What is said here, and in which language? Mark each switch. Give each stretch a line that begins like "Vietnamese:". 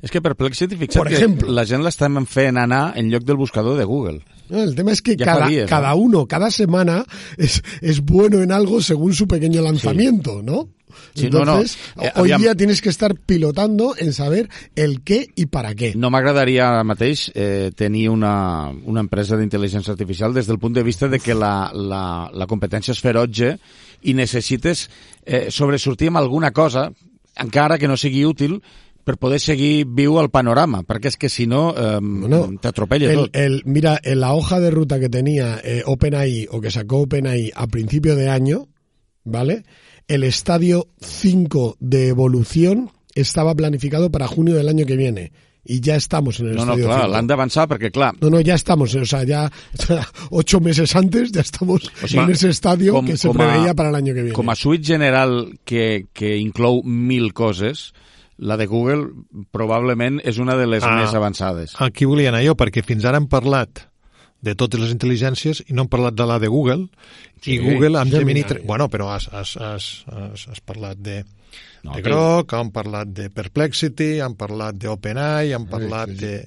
Spanish: Es que Perplexity, fíjate, por ejemplo,
Catalan: la gent l'estem fent anar en lloc del buscador de Google.
Spanish: El tema es que ya cada semana es bueno en algo según su pequeño lanzamiento, sí. ¿No? Sí, entonces, hoy día tienes que estar pilotando en saber el qué y para qué.
Catalan: No m'agradaria ara mateix tenir una empresa d'intel·ligència artificial des del punt de vista de que la competència és feroge i necessites sobresortir amb alguna cosa, encara que no sigui útil, per poder seguir viu al panorama, perquè és que si no, t'atropella tot.
Spanish: Mira, en la hoja de ruta que tenia OpenAI, o que sacó OpenAI a principio de año, ¿vale?, el estadio 5 de evolución estaba planificado para junio del año que viene. Y ya estamos en el estadio 5.
Catalan: No, claro, l'han d'avançar perquè, clar...
Spanish: No, ya estamos. O sea, ya 8 meses antes ya estamos en ese estadio que se preveía para el año que viene.
Catalan: Com a suite general que inclou 1.000 coses, la de Google probablement és una de les més avançades. Aquí volia anar jo, perquè fins ara hem parlat de totes les intel·ligències i no hem parlat de la de Google, sí, i Google amb Gemini 3, bueno, però has parlat de Grok, han parlat de Perplexity, han parlat de OpenAI, han parlat de